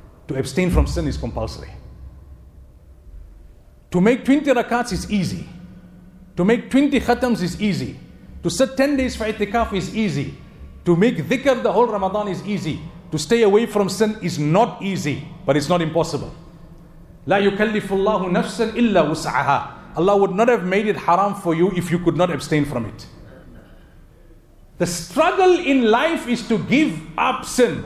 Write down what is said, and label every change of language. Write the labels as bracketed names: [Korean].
[English] To abstain from sin is compulsory. To make 20 rakats is easy. To make 20 khatams is easy. To sit 10 days for itikaf is easy. To make dhikr the whole Ramadan is easy. To stay away from sin is not easy, but it's not impossible. [Arabic] لا يكلف الله نفسا إلا وسعها. [English] Allah would not have made it haram for you if you could not abstain from it. The struggle in life is to give up sin.